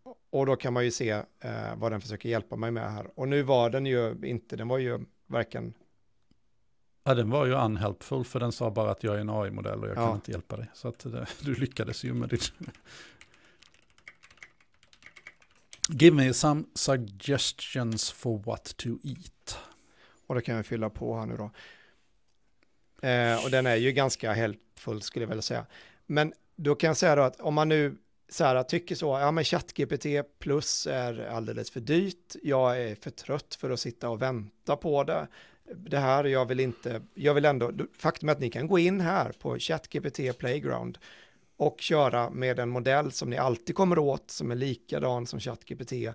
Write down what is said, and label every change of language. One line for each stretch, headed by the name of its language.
Swedish: Och då kan man ju se vad den försöker hjälpa mig med här. Och nu var den ju inte, den var ju varken... Ja, den var ju unhelpful, för den sa bara att jag är en AI-modell och jag kan inte hjälpa dig. Så att det, du lyckades ju med ditt...
English: Give me some suggestions for what to eat.
Swedish: Och det kan jag fylla på här nu då. Och den är ju ganska helpful, skulle jag vilja säga. Men då kan jag säga då att om man nu så här tycker så, ja men ChatGPT plus är alldeles för dyrt. Jag är för trött för att sitta och vänta på det. Det här, jag vill inte, jag vill ändå, faktum är att ni kan gå in här på ChatGPT Playground och köra med en modell som ni alltid kommer åt, som är likadan som ChatGPT.